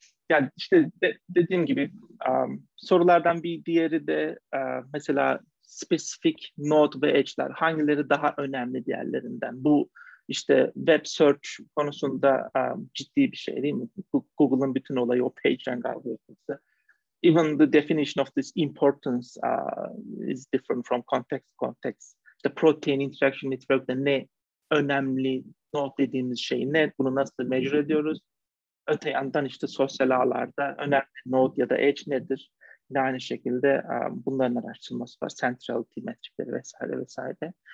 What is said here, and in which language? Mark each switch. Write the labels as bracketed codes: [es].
[tr] Yani işte dediğim gibi sorulardan bir diğeri de mesela spesifik node ve edge'ler hangileri daha önemli diğerlerinden? Bu işte web search konusunda ciddi bir şey değil mi? Google'ın bütün olayı o PageRank algoritması. [en] Even the definition of this importance is different from context to context. The protein interaction [tr] network'de ne önemli node dediğimiz şey ne? Bunu nasıl measure ediyoruz? Öte yandan işte sosyal ağlarda önemli node ya da edge nedir? Yine aynı şekilde bunların araştırılması var. Centrality metrikleri vesaire.